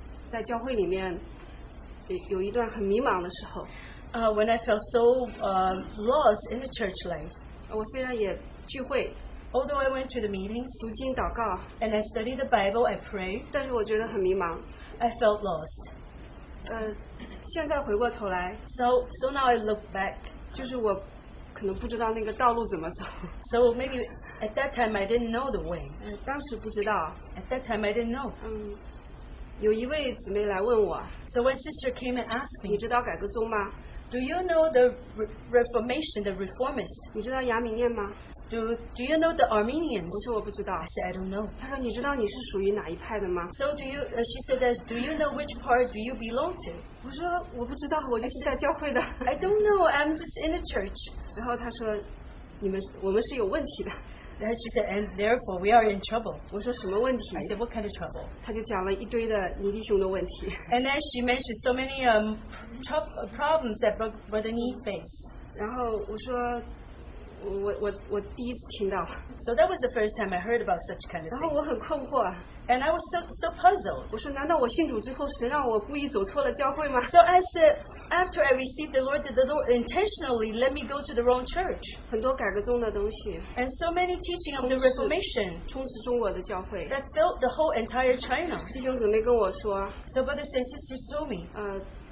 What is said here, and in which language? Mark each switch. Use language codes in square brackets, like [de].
[zh] 在教会里面, 有一段很迷茫的时候, [en] when I felt so lost in the church life, [zh] 我虽然也聚会, [en] although I went to the meetings, [zh] 读经祷告, [en] and I studied the Bible, I prayed, [zh] 但是我觉得很迷茫, [en] I felt lost. [zh] 现在回过头来, [en] so now I look back. [zh] 就是我可能不知道那个道路怎么走, [en] so maybe at that time I didn't know the way. [zh] 当时不知道, [en] at that time I didn't know. [zh] 有一位姊妹来问我, [en] so when sister came and asked me, [zh] 你知道改革宗吗? [en] Do you know the Reformation, the Reformist? [zh] 你知道雅米念吗? [en] Do you know the Armenians? [zh] 我说我不知道, [en] I said, I don't know. [zh] 她说你知道你是属于哪一派的吗? [en] So do you, she said that, do you know which part do you belong to? [zh] 我说我不知道, 我就是在教会的, [en] I said, I don't know, I'm just in the church. [zh] 然后她说, 你们, 我们是有问题的, [en] and she said, and therefore we are in trouble. [zh] 我说什么问题? [en] I said, what kind of trouble? [zh] 她就讲了一堆的尼弟兄的问题, [en] and then she mentioned so many problems that Brother Ni faced. [zh] 然后我说, 我第一次听到, [en] so that was the first time I heard about such kind of thing. [zh] 然后我很困惑, [en] and I was so puzzled. [zh] 我说难道我信主之后神让我故意走错了教会吗? [en] So I said, after I received the Lord, did the Lord intentionally let me go to the wrong church? [zh] 很多改革宗的东西, [en] and so many teaching of the Reformation [zh] 充斥中国的教会, [en] that filled the whole entire China. [zh] 弟兄姊妹跟我说, [en] so brothers and sisters told me,